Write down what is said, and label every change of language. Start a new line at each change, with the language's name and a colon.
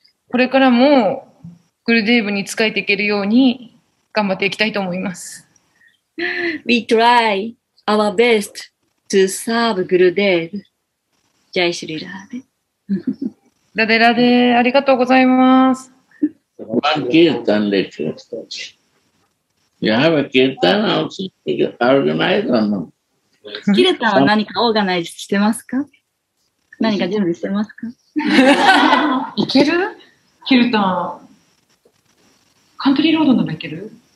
Japanese: これからもグルデーブに仕えていけるように頑張っていきたいと思います。
English: We try our best to serve Gurudev.
Japanese: ジャイシュリラーデ。ラデラデ、ありがとうございます。ワンキルタンレクラスタチ。
English: You have a kirtan also organized or not?
Japanese: キルタンは何かオーガナイズしてますか？何か準備してますか？いける？キルタン。カントリーロードならいける？